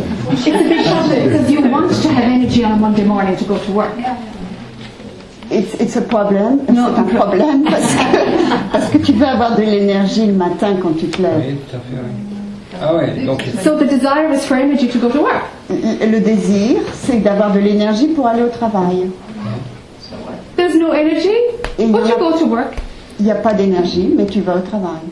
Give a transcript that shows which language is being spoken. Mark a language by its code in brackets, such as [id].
[en] It's a big problem because you want to have energy on a Monday morning to go to work. It's a problem. No, [fr] c'est un problème parce que tu veux avoir de l'énergie le matin quand tu te lèves. Oui, tout à fait. Oui. Ah ouais, donc. [en] So the desire is for energy to go to work. [fr] Le désir, c'est d'avoir de l'énergie pour aller au travail. [en] There's no energy, but you go to work. [fr] Il n'y a pas d'énergie, mais tu vas au travail.